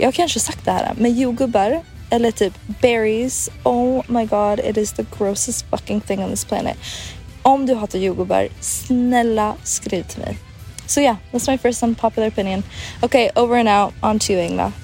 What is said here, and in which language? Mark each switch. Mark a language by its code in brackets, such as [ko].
[sv] Jag kanske sagt det här, men jordgubbar eller typ berries. [en] Oh my god, it is the grossest fucking thing on this planet. [sv] Om du hatar jordgubbar, snälla skriv till mig. [en] So yeah, that's my first un popular opinion. Okej, okay, over and out, on to you, Inga.